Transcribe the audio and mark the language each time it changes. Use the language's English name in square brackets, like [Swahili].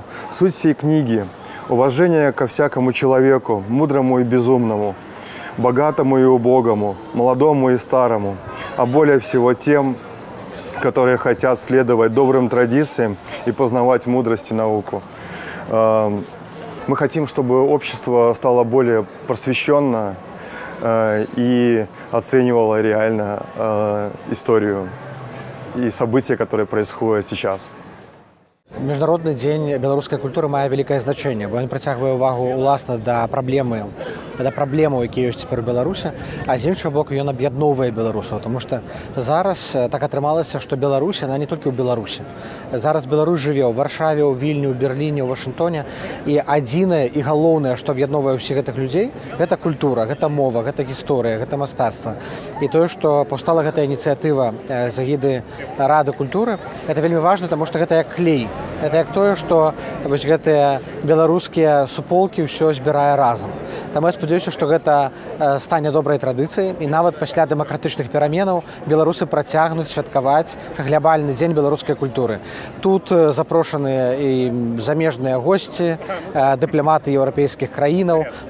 [Russian] Суть всей книги – уважение ко всякому человеку, мудрому и безумному, богатому и убогому, молодому и старому, а более всего тем, которые хотят следовать добрым традициям и познавать мудрость и науку. Мы хотим, чтобы общество стало более просвещенно и оценивало реально историю и события, которые происходят сейчас. [Ukrainian] Міжнародний день білоруської культури має велике значення, бо він притягує увагу власне до проблеми, до проблем, які є тепер в Білорусі, а з іншого боку, він об'єднує білорусів, тому що зараз так отрималося, що Білорусь, вона не тільки у Білорусі. Зараз Білорусь живе у Варшаві, у Вільні, у Берліні, у Вашингтоні, і єдине і головне, що об'єднує усіх цих людей, це культура, це мова, це історія, це мистецтво. І те, що повстала ця ініціатива з гіди Ради культури, це дуже важливо, тому що це як клей. [Belarusian] Это як тое, што вось гэтыя беларускія суполкі ўсё збірае разам. Таму я спадзяюся, што гэта стане добрай традыцыяй і нават пасля дэмакратычных пераменаў беларусы працягнуць святкаваць глябальны дзень беларускай культуры. Тут запрошаныя і замежныя госці, дыпламаты еўрапейскіх краінаў.